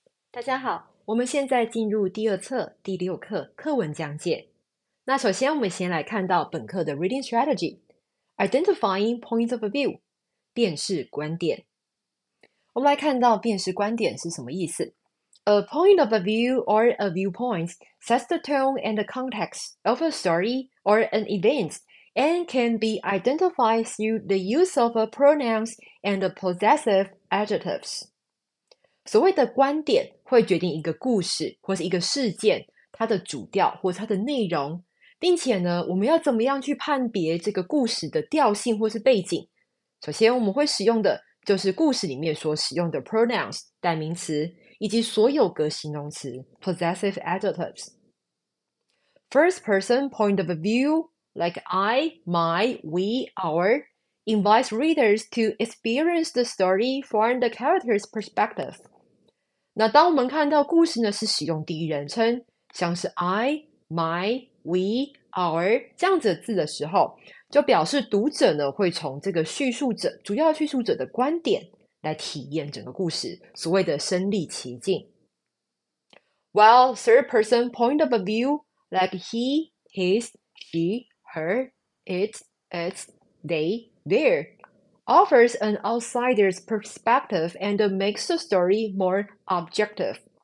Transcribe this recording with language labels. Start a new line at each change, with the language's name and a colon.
Chinese: 大家好，我们现在进入第二册第六课课文讲解。那首先我们先来看到本课的 reading strategy， identifying points of view，辨识观点。我们来看到辨识观点是什么意思。
English: A point of view or a viewpoint sets the tone and the context of a story or an event and can be identified through the use of a pronouns and the possessive adjectives。
Chinese: 所谓的观点会决定一个故事或是一个事件它的主调或是它的内容，并且呢，我们要怎么样去判别这个故事的调性或是背景。首先我们会使用的就是故事里面所使用的 pronouns 代名词以及所有格形容词 possessive adjectives。
English: First person point of view like I, my, we, our invites readers to experience the story from the character's perspective。
Chinese: 那当我们看到故事呢，是使用第一人称，像是 I, my, we, our 这样子的字的时候，就表示读者呢会从这个叙述者，主要叙述者的观点来体验整个故事，所谓的身临其境。
English: While third person point of view, like he, his, she, her, it, its, they, their. Offers an outsider's perspective and makes the story more objective.